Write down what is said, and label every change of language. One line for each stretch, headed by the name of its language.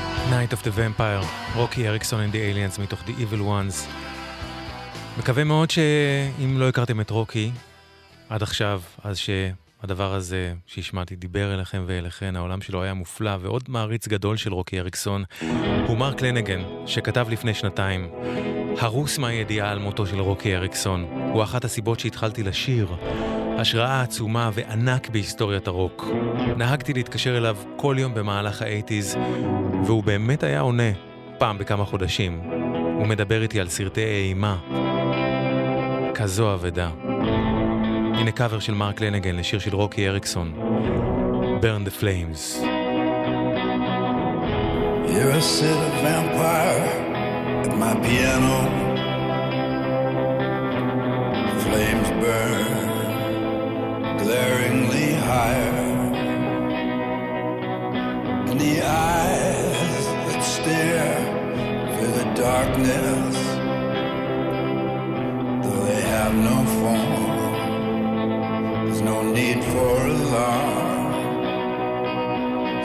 English: Night of the Vampire, רוקי, אריקסון and the Aliens מתוך The Evil Ones.
Hebrew: מקווה מאוד שאם לא הכרתם את רוקי עד עכשיו, אז שהדבר הזה שהשמעתי דיבר אליכם ואליכן. העולם שלו היה מופלא, ועוד מעריץ גדול של רוקי אריקסון הוא מרק לנגן, שכתב לפני שנתיים הרוס מהידיעה על מותו של רוקי אריקסון. הוא אחת הסיבות שהתחלתי לשיר, השראה עצומה וענק בהיסטוריית הרוק. נהגתי להתקשר אליו כל יום במהלך ה-80s, והוא באמת היה עונה פעם בכמה חודשים. הוא מדבר איתי על סרטי אימה. כזו עבדה. הנה קאבר של מרק לנגן לשיר של רוקי אריקסון.
English: Burn the Flames. You're a set of vampire at my piano. Flames burn. Glaringly higher in the eyes that stare through the darkness, though they have no form, there's no need for alarm.